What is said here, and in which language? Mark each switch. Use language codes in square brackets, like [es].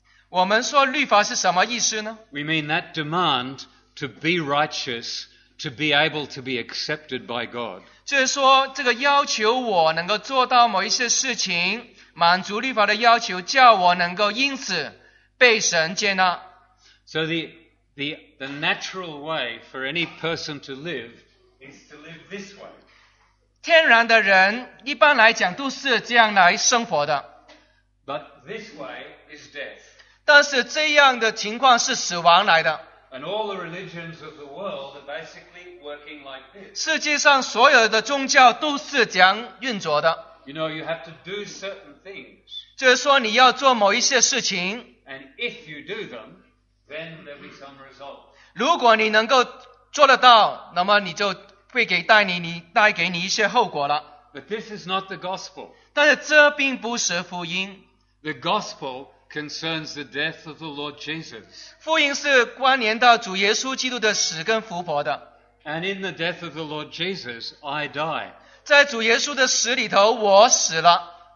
[zh] 我们说律法是什么意思呢？ [en] We mean that demand to be righteous, to be able to be accepted by God. [zh] 就是说，这个要求我能够做到某一些事情，满足律法的要求，叫我能够因此被神接纳。 [en] So the natural way for any person to live is to live this way. [zh] 天然的人一般来讲都是这样来生活的。 [en] But this way is death. [zh] 但是这样的情况是死亡来的。 [en] And all the religions of the world are basically working like this. [zh] 世界上所有的宗教都是这样运作的。 [en] You know, you have to do certain things. [zh] 就是说你要做某一些事情。 [en] And if you do them, then there'll be some result. [zh] 如果你能够做得到，那么你就会给带给你一些后果了。 [en] But this is not the gospel. [zh] 但是这并不是福音。 [en] The gospel concerns the death of the Lord Jesus. [zh] 福音是关联到主耶稣基督的死跟复活的。 [en] And in the death of the Lord Jesus, I die. [zh] 在主耶稣的死里头，我死了。